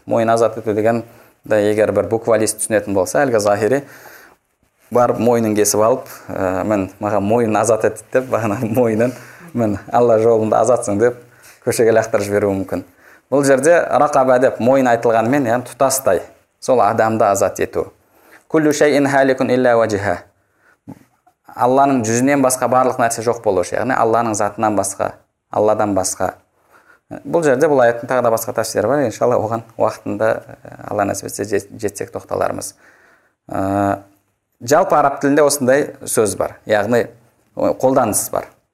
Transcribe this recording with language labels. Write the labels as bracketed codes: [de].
[kk] Мойын азат ету деген да егер бір буквалист түсінетін болса, әлгі захири барып мойынын кесіп алып, мен маған мойын азат етті деп, бағана мойынын мен Алла жолында азатсың деп көшеге лақтырып жіберуі мүмкін. Бұл жерде рақаба деп мойын айтылғанмен, яғни тұтастай сол адамды азат ету. [ar] Күллу шайин халикун илля ваджиха. [kk] Алланың жүзінен басқа барлық нәрсе жоқ болушы, яғни Алланың затынан басқа, Алладан басқа. Бұл жерде бұл аяттың тағы да басқа тәфсірі бар, иншалла оған уақытында Алла нәсіп етсе жетсек тоқталармыз. Жалпы араб тілінде осындай сөз бар, яғни қолданыс бар.